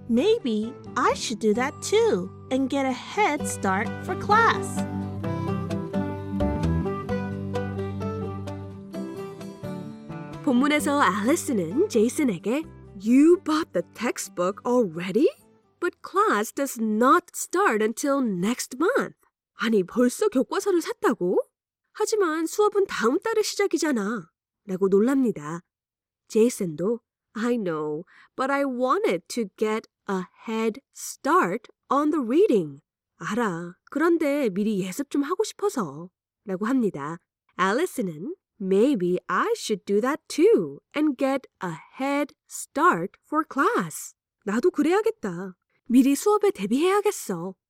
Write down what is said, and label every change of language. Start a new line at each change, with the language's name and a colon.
English: Maybe I should do that too and get a head start for class.
Korean: 본문에서
English: Alice는 Jason에게 You bought the textbook already? But class does not start until next month.
Korean: 아니, 벌써 교과서를 샀다고? 하지만 수업은 다음 달에 시작이잖아. 라고 놀랍니다.
English: Jason도 I know, but I wanted to get a head start on the reading.
Korean: 알아, 그런데 미리 예습 좀 하고 싶어서. 라고 합니다.
English: Alice는 Maybe I should do that too and get a head start for class.
Korean: 나도 그래야겠다. 미리 수업에 대비해야겠어.